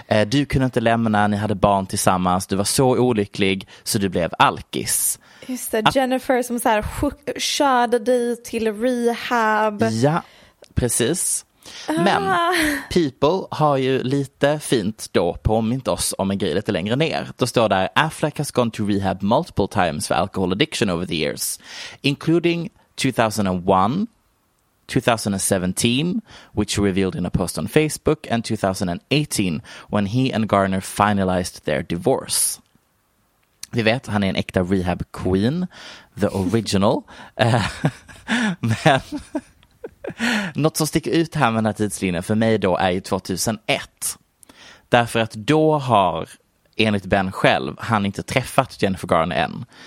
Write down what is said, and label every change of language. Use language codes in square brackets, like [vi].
[sv] Du kunde inte lämna, ni hade barn tillsammans, du var så olycklig så du blev alkis. Just det, Jennifer som så här körde dig till rehab. Ja, precis. Men People har ju lite fint då påmint oss om en grej lite längre ner. Då står där: [en] Affleck has gone to rehab multiple times for alcohol addiction over the years, including 2001, 2017, which revealed in a post on Facebook, and 2018, when he and Garner finalized their divorce. [sv] Vi vet, han är en äkta [en] rehab queen, the original. [sv] Men något som sticker ut här med den här tidslinjen för mig då är ju 2001. Därför att då har, enligt Ben själv, han inte träffat Jennifer Garner än.